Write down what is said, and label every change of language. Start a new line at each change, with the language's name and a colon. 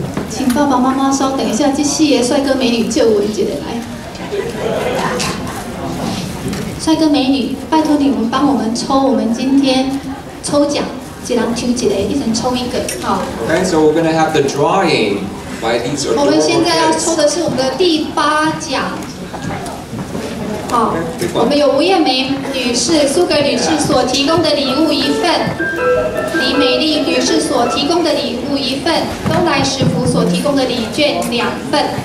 Chinese: 请爸爸妈妈稍等一下，这四个帅哥美女救我一下来。帅哥美女，拜托你们帮我们抽，我们今天抽奖，一人抽一个，一人抽一个，好。
English: Okay, so we're gonna have the drawing by these adorable kids.
Chinese: 我们现在要抽的是我们的第八奖。好， okay, 我们有吴艳梅女士、苏格女士所提供的礼物一份，李美丽女士所提供的礼物一份，东来食府所提供的礼券两份。